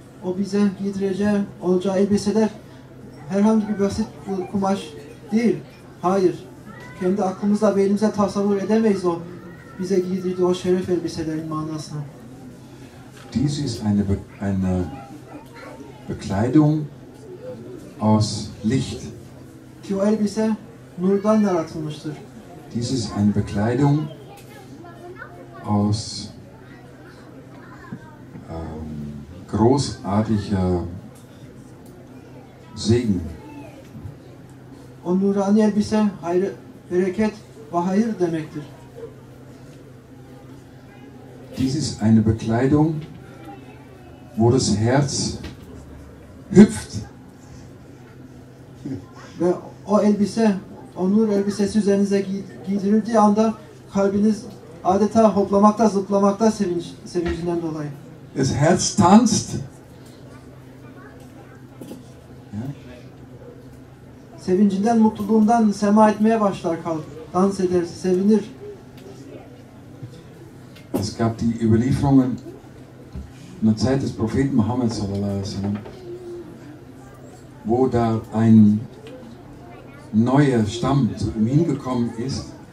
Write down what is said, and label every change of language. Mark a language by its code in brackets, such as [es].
[tr] O bize giydireceği, olacağı elbiseler herhangi bir basit kumaş değil. Hayır. Kendi aklımızla ve elimizle tasavvur edemeyiz o bize giydirdiği o şeref elbiselerin manasını. [de] Dies ist eine Bekleidung aus Licht. [tr] Ki o elbise nurdan yaratılmıştır. [de] Dies ist eine Bekleidung aus großartiger Segen. [tr] O nurani elbise hayır, bereket ve hayır demektir. [de] Dies ist eine Bekleidung, wo das Herz hüpft. [tr] Ve o elbise, o nur elbisesi üzerinize giydirildiği anda kalbiniz adeta hoplamakta, zıplamakta sevincinden dolayı. [de] Das Herz tanzt. [tr] Sevincinden, mutluluğundan sema etmeye başlar kalp. Dans eder, sevinir. [de] Es gab die Überlieferungen in der Zeit des Propheten Muhammad sallallahu aleyhi ve sellem, wo da ein neuer Stamm zu ihm hingekommen ist.